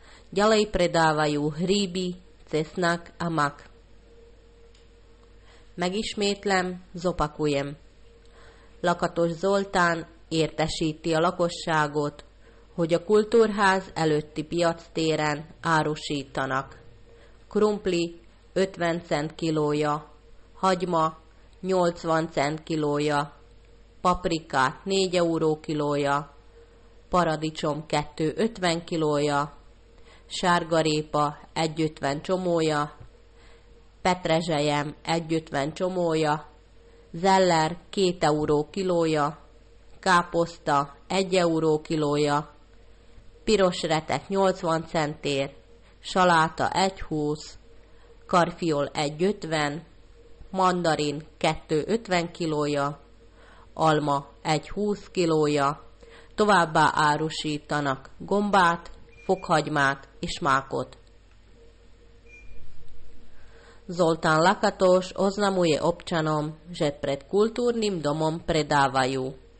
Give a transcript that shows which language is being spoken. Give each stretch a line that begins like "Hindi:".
Slovak: Ďalej predávajú hríby, cesnak a mak.
Hungarian: Megismétlem,
Slovak: zopakujem.
Hungarian: Lakatos Zoltán értesíti a lakosságot, hogy a kultúrház előtti piac téren árusítanak. Krumpli 50 cent kilója, hagyma 80 cent kilója, paprika 4 euró kilója, paradicsom 2,50 kilója, sárgarépa 1,50 csomója, petrezselyem 1,50 csomója, zeller 2 euró kilója, káposzta 1 euró kilója, piros retek 80 centér, saláta 1,20, karfiol 1,50, mandarin 2,50 kilója, alma 1,20 kilója, továbbá árusítanak gombát, fokhagymát és mákot.
Slovak: Zoltán Lakatos, oznamuje občanom, že pred kultúrnym domom predávajú.